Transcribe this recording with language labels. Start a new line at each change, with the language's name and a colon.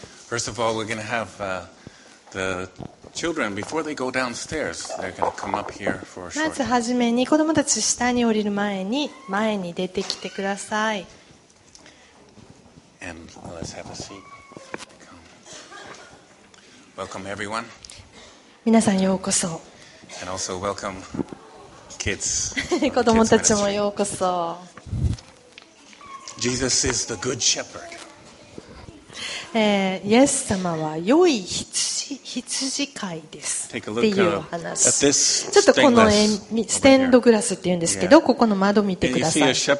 English: First of all, we're going to have the children before they go downstairs. They're going to come up here for a short.
Japanese: まずはじめに子どもたち下に降りる前に前に出てきてください。
English: And let's have a seat. Welcome everyone.
Japanese: 皆さんようこそ。
English: And also welcome kids.
Japanese: 子どもたちもようこそ。
English: Jesus is the good shepherd.
Japanese: イエス様は良い羊飼いですっていう話。ちょっとこのステンドグラスっていうんですけど、ここの窓見てください。